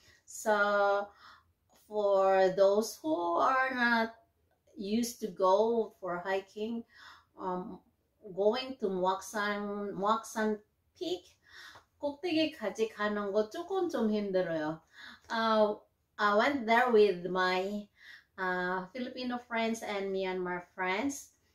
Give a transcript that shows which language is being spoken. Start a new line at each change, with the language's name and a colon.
English: So for those who are not used to go for hiking, going to 목산 peak.
Korean: 꼭대기까지 가는 거 조금 좀 힘들어요.
English: I went there with my Filipino friends and Myanmar friends.